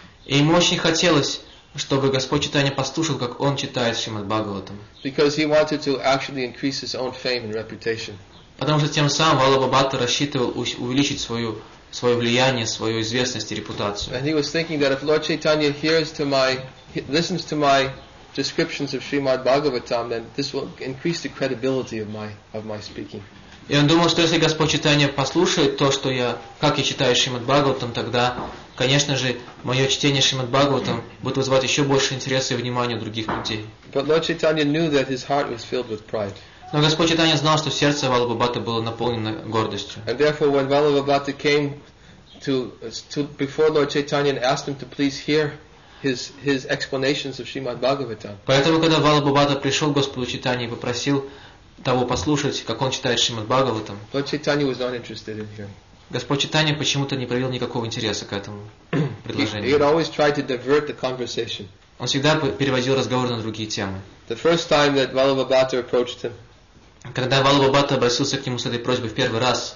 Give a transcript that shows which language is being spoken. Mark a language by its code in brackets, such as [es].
[ru] И ему очень хотелось, чтобы Господь Чайтанья послушал, как он читает Шримад Бхагаватам. [en] Because he wanted to actually increase his own fame and reputation. [ru] Потому что тем самым Валабхабхатта рассчитывал увеличить свое влияние, свою известность и репутацию. [en] And he was thinking that if Lord Chaitanya listens to my descriptions of Srimad Bhagavatam, then this will increase the credibility of my speaking. [ru] И он думал, что если Господь Чайтанья послушает то, что я, как я читаю Шримад Бхагаватам, тогда, конечно же, мое чтение Шримад Бхагаватам будет вызывать еще больше интереса и внимания других людей. [en] But Lord Chaitanya knew that his heart was filled with pride. [ru] Но Господь Чайтанья знал, что сердце Валабхабхатты было наполнено гордостью. [en] And therefore, when Valabhabhata came to before Lord Chaitanya and asked him to please hear his explanations of Shrimad Bhagavatam. [ru] Поэтому, когда Валабхабхатта пришел к Господу Чайтанье и попросил того послушать, как он читает Шримад Бхагаватам, [en] Lord Chaitanya was not interested in hearing. [ru] Господь Чайтанья почему-то не проявил никакого интереса к этому предложению. [en] He always tried to divert the conversation. [ru] Он всегда переводил разговор на другие темы. [en] The first time that Valabhabhata approached him, [ru] когда Валабхабхатта обратился к нему с этой просьбой в первый раз,